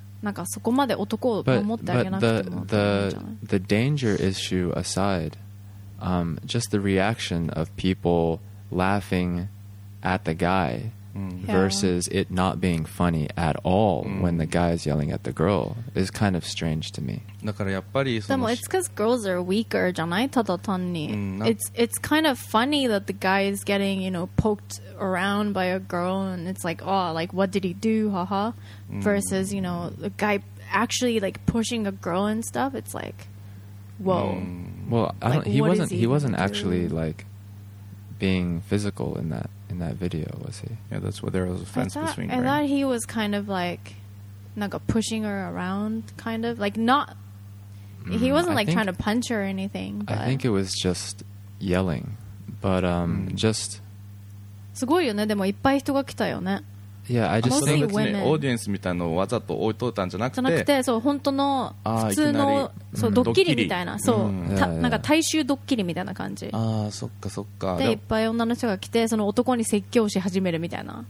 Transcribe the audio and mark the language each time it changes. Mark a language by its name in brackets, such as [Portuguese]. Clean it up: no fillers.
[Japanese] なんかそこまで男を守ってあげなくても。 [English] But the danger issue aside. Just the reaction of people laughing at the guy、mm. versus、yeah. it not being funny at all、mm. when the guy is yelling at the girl is kind of strange to me. [Japanese] だからやっぱり [English] でも it's because girls are weaker [Japanese] じゃない？ただ単に、 mm, [English] it's kind of funny that the guy is getting, you know, poked around by a girl and it's like, oh, like what did he do? Haha. Versus, you know, the guy actually like pushing a girl and stuff. It's like, whoa.、Mm. Well, I don't, like, he wasn't actually like being physical in that video, was he? Yeah, that's where there was a fence between. I thought he was kind of like, pushing her around, kind of like not. He wasn't like trying to punch her or anything. I think it was just yelling, but just. [Japanese] すごいよね。でもいっぱい人が来たよね。 [English] Yeah, I just [Japanese] mostly その別に women. オーディエンスみたいのをわざと置いといたんじゃなくて、じゃなくてそう本当の普通のそう、うん、ドッキリみたいな、そう、うん、 [English] yeah, yeah. [Japanese] なんか大衆ドッキリみたいな感じ。ああ、そっかそっか。でいっぱい女の人が来てその男に説教し始めるみたいな。